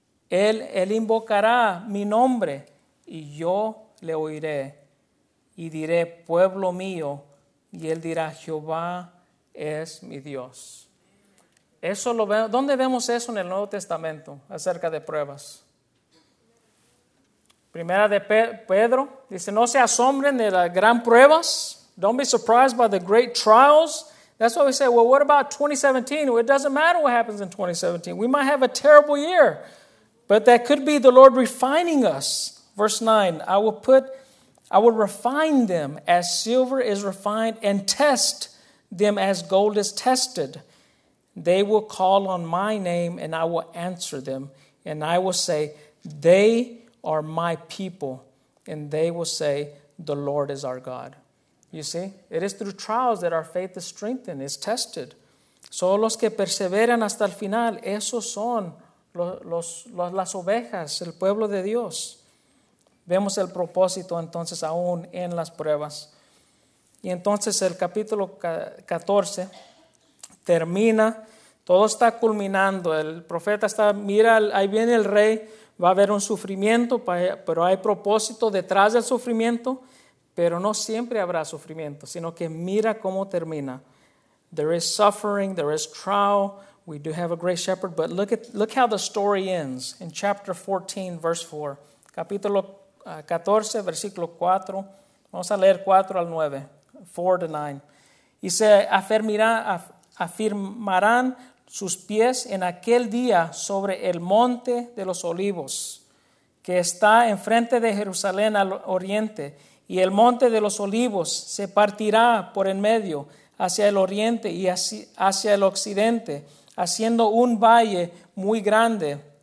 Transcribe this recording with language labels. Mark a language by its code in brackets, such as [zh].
[es] Él invocará mi nombre y yo le oiré y diré, pueblo mío, y él dirá, Jehová es mi Dios. Eso lo veo. ¿Dónde vemos eso en el Nuevo Testamento acerca de pruebas? Primera de Pedro dice, no se asombren de las gran pruebas. [en] Don't be surprised by the great trials. That's why we say, well, what about 2017? Well, it doesn't matter what happens in 2017. We might have a terrible year, but that could be the Lord refining us. Verse 9, I will refine them as silver is refined and test them as gold is tested. They will call on my name and I will answer them. And I will say, they are my people. And they will say, the Lord is our God. You see, it is through trials that our faith is strengthened, is tested. [es] Solo los que perseveran hasta el final, esos son las ovejas, el pueblo de Dios. Vemos el propósito entonces aún en las pruebas. Y entonces el capítulo 14 termina, todo está culminando. El profeta está, mira, ahí viene el rey, va a haber un sufrimiento, pero hay propósito detrás del sufrimiento, pero no siempre habrá sufrimiento, sino que mira cómo termina. [en] There is suffering, there is trial, we do have a great shepherd, but look how the story ends in chapter 14, verse 4. [es] Capítulo 14, versículo 4, vamos a leer 4 al 9. [en] 4 to 9. [es] Y se afirmarán sus pies en aquel día sobre el monte de los olivos, que está enfrente de Jerusalén al oriente, y el monte de los olivos se partirá por en medio hacia el oriente y hacia el occidente, haciendo un valle muy grande.